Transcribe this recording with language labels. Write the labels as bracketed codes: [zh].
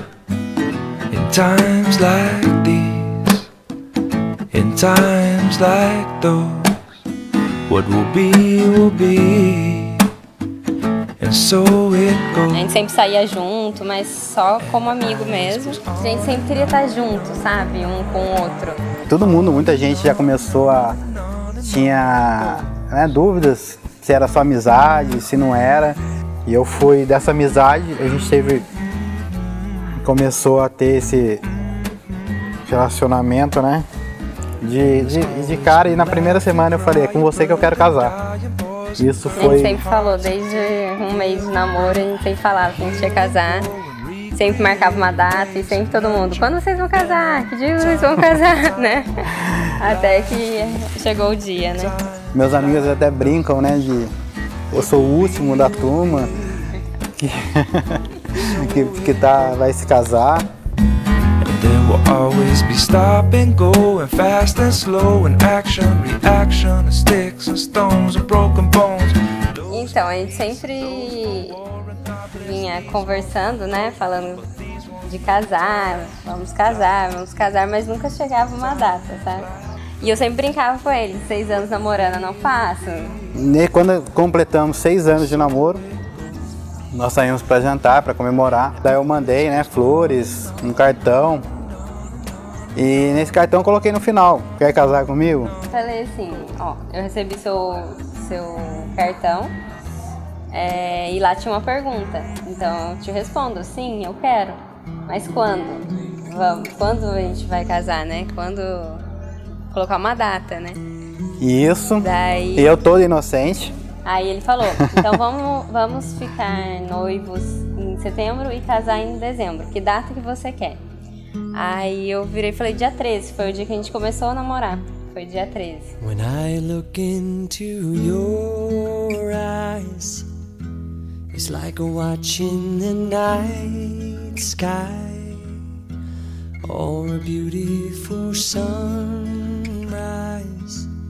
[en] In times like these, in times like those, what will be, and so it goes. [pt] A gente sempre saía junto, mas só como amigo mesmo. A gente sempre queria estar junto, sabe? Um com o outro. Todo mundo, muita gente já começou a... Tinha, né, dúvidas se era só amizade, se não era. E eu fui dessa amizade, a gente teve... Começou a ter esse relacionamento, né? De cara, e na primeira semana eu falei, é com você que eu quero casar. Isso foi... A gente sempre falou, desde um mês de namoro, a gente sempre falava que a gente ia casar. Sempre marcava uma data e sempre todo mundo, quando vocês vão casar? Que dia vocês vão casar, né? Até que chegou o dia, né? Meus amigos até brincam, né, de... Eu sou o último da turma que tá, vai se casar. [en] We'll always be stop and go, and fast and slow, and action, reaction, and sticks and stones and broken bones. [pt] Então, a gente sempre vinha conversando, né, falando de casar, vamos casar, mas nunca chegava uma data, sabe? E eu sempre brincava com ele, 6 anos namorando, não faço. E quando completamos 6 anos de namoro, nós saímos pra jantar, pra comemorar. Daí eu mandei, né, flores, um cartão. E nesse cartão eu coloquei no final, quer casar comigo? Falei assim, ó, eu recebi seu cartão, e lá tinha uma pergunta. Então eu te respondo, sim, eu quero, mas quando? Quando a gente vai casar, né? Quando colocar uma data, né? Isso, daí, e eu todo inocente. Aí ele falou, então vamos ficar noivos em setembro e casar em dezembro, que data que você quer? Aí eu virei e falei, dia 13, foi o dia que a gente começou a namorar. Foi dia 13. [en] When I look into your eyes, it's like a watch in the night sky, or a beautiful sunrise.